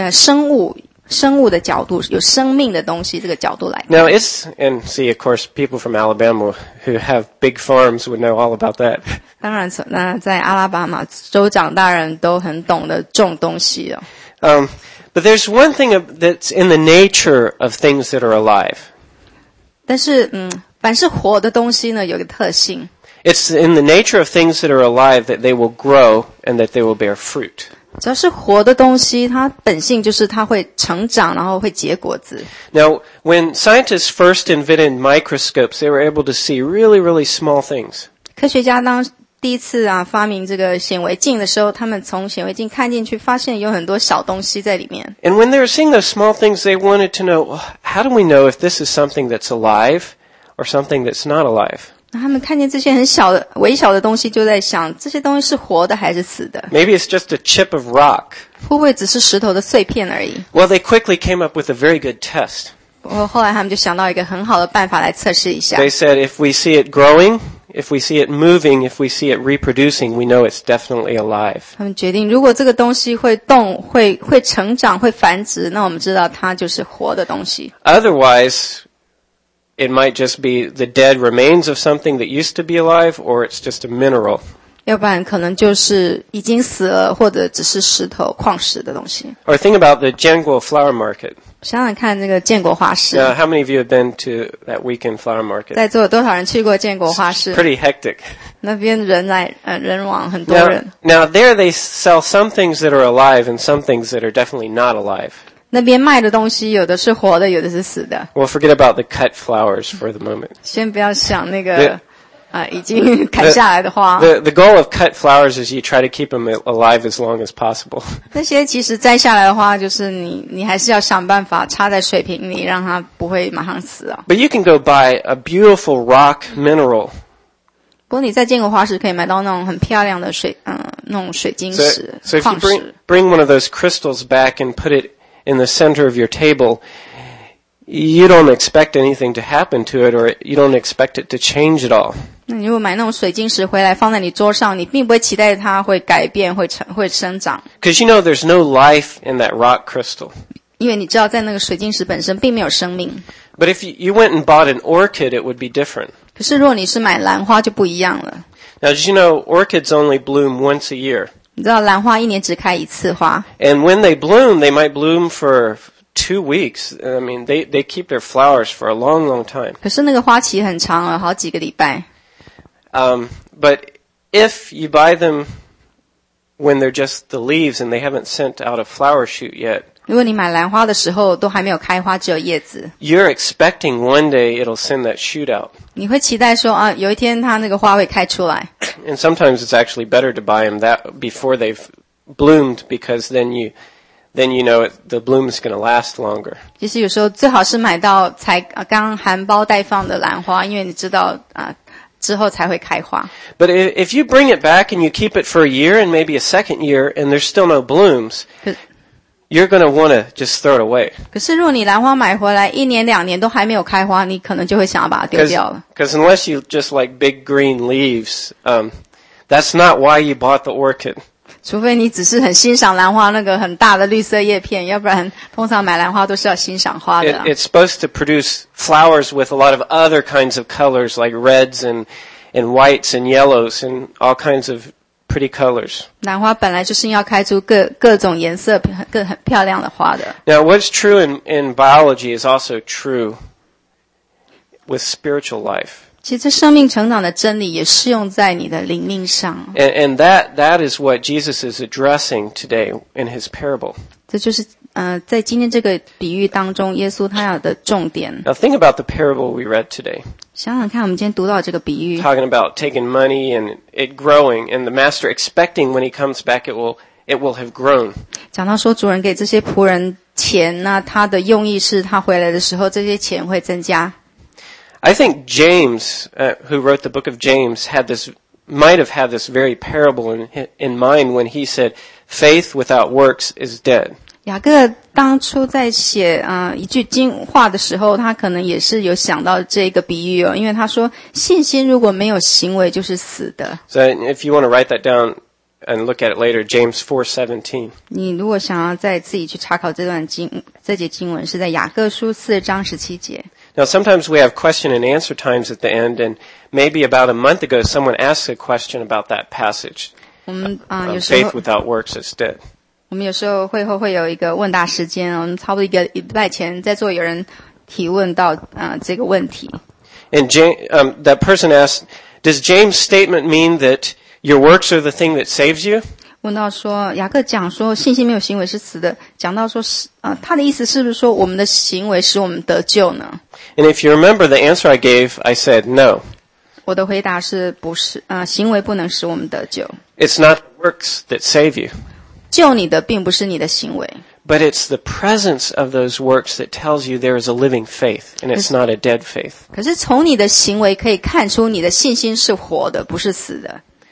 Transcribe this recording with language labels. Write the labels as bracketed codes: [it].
[zh] 来从这个生物的角度, 有生命的东西这个角度来看。 [en] Now it's, and see, of course, people from Alabama who have big farms would know all about that. [zh] 当然在阿拉巴马州长大人都很懂得种东西哦。 [en] But there's one thing that's in the nature of things that are alive. [zh] 但是, 凡是活的东西呢, 有个特性。 [en] It's in the nature of things that are alive that they will grow and that they will bear fruit. [zh] 只要是活的东西，它本性就是它会成长，然后会结果子。 [en] Now, when scientists first invented microscopes, they were able to see really, really small things. [zh] 科学家当第一次啊发明这个显微镜的时候，他们从显微镜看进去，发现有很多小东西在里面。 [en] And when they were seeing those small things, they wanted to know, how do we know if this is something that's alive or something that's not alive? [zh] 他们看见这些很小的微小的东西就在想这些东西是活的还是死的 [en] Maybe it's just a chip of rock. [zh] 会不会只是石头的碎片而已 [en] Well, they quickly came up with a very good test. [zh] 后来他们就想到一个很好的办法来测试一下 [en] They said if we see it growing, if we see it moving, if we see it reproducing, we know it's definitely alive. [zh] 他们决定如果这个东西会动 会成长会繁殖那我们知道它就是活的东西 [en] Otherwise,It might just be the dead remains of something that used to be alive, or it's just a mineral. [zh] 要不然可能就是已经死了，或者只是石头、矿石的东西。 [en] Or think about the Jianguo flower market. [zh] 想想看那个建国花市。 [en] Now, how many of you have been to that weekend flower market? [zh] 在座多少人去过建国花市 [en] It's pretty hectic. [zh] 那边人来，人往很多人。 [en] Now, there they sell some things that are alive and some things that are definitely not alive. [zh] 那边卖的东西有的是活的有的是死的。 [en] We'll forget about the cut flowers for the moment. [zh] 先不要想那个已经砍下来的花。 [en] The goal of cut flowers is you try to keep them alive as long as possible. [zh] 那些其实摘下来的花就是你还是要想办法插在水瓶里让它不会马上死啊。 [en] But you can go buy a beautiful rock mineral. [zh] 不过你在建国花市可以买到那种很漂亮的水那种水晶石。 [en] So if you bring one of those crystals back and put itin the center of your table, you don't expect anything to happen to it, or you don't expect it to change at all. [zh] 那你如果买那种水晶石回来放在你桌上，你并不会期待它会改变，会生长。 [en] Because you know there's no life in that rock crystal. [zh] 因为你知道在那个水晶石本身并没有生命。 [en] But if you went and bought an orchid, it would be different. [zh] 可是如果你是买兰花就不一样了。 [en] Now, did you know orchids only bloom once a year? [zh] 你知道兰花一年只开一次花。 [en] And when they bloom, they might bloom for 2 weeks. I mean, they keep their flowers for a long, long time. [zh] 可是那个花期很长了，好几个礼拜。 [en] But if you buy them when they're just the leaves and they haven't sent out a flower shoot yet, [zh] 如果你买兰花的时候都还没有开花，只有叶子。 [en] You're expecting one day it'll send that shoot out. [zh] 你会期待说啊，有一天它那个花会开出来。 [en] And sometimes it's actually better to buy them that before they've bloomed because then you know the bloom is going to last longer. [zh] 其实有时候最好是买到才刚含苞待放的兰花，因为你知道之后才会开花。 [en] But if you bring it back and you keep it for a year and maybe a second year and there's still no blooms, you're going to want to just throw it away. [zh] 可是如果你兰花买回来一年两年都还没有开花，你可能就会想要把它丢掉了。 [en] Because unless you just like big green leaves, that's not why you bought the orchid. [zh] 除非你只是很欣赏兰花那个很大的绿色叶片，要不然通常买兰花都是要欣赏花的。 [en] It's supposed to produce flowers with a lot of other kinds of colors, like reds and whites and yellows and all kinds of pretty colors. [zh] 兰花本来就是要开出各种颜色很漂亮的花的。 [en] Now, what's true in biology is also true with spiritual life. [zh] 其实生命成长的真理也适用在你的灵命上。 [en] And that is what Jesus is addressing today in his parable. [zh] 这就是在今天这个比喻当中耶稣他要的重点。 [en] Now, think about the parable we read today. [zh] 想想看我们今天读到这个比喻 [en] talking about taking money and it growing and the master expecting when he comes back it will have grown [zh] 讲到说主人给这些仆人钱那他的用意是他回来的时候这些钱会增加 [en] I think James who wrote the book of James might have had this very parable in mind when he said faith without works is dead [zh] 雅各当初在写一句经话的时候，他可能也是有想到这个比喻哦，因为他说信心如果没有行为就是死的。 [en] So if you want to write that down and look at it later, James 4:17. [zh] 你如果想要再自己去查考这段经这节经文，是在雅各书四章十七节。 [en] Now sometimes we have question and answer times at the end, and maybe about a month ago someone asked a question about that passage. [zh] 我们有时候 [en] faith without works is dead. [zh] 我们有时候会后会有一个问答时间，我们差不多一个礼拜前在座有人提问到这个问题。 [en] And James, that person asked, "Does James' statement mean that your works are the thing that saves you?" [zh] 问到说雅各讲说信心没有行为是死的，讲到说他的意思是不是说我们的行为使我们得救呢？ [en] And if you remember the answer I gave, I said no. [zh] 我的回答是不是行为不能使我们得救。 [en] It's not works that save you. [zh] 救你的并不是你的行为。 [en] But it's the presence of those works that tells you there is a living faith, and it's not a dead faith. [zh] 可是从你的行为可以看出你的信心是活的，不是死的。